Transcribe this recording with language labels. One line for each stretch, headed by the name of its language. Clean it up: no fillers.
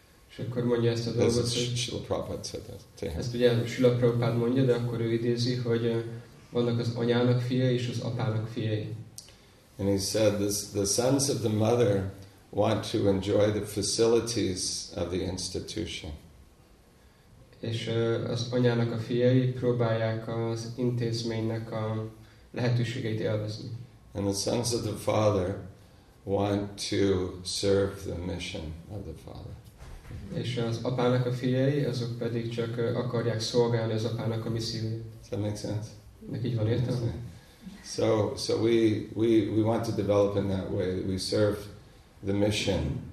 Hungarian: És akkor mondja ezt a dolgot, hogy
English: Srila Prabhupada said that to him.
Hungarian: Ezt ugye Srila Prabhupada mondja, de akkor ő idézi, hogy vannak az anyának fiai és az apának fiai.
English: And he said the sons of the mother want to enjoy the facilities of the institution.
Hungarian: És az anyának a fiai próbálják az intézménynek a lehetőségeit élvezni.
English: And the sons of the father want to serve the mission of the father.
Hungarian: És az apának a fiai, azok pedig csak akarják szolgálni az apának a misszióját.
English: Does that make sense?
Hungarian: Nek így van értelme?
English: So we want to develop in that way. We serve the mission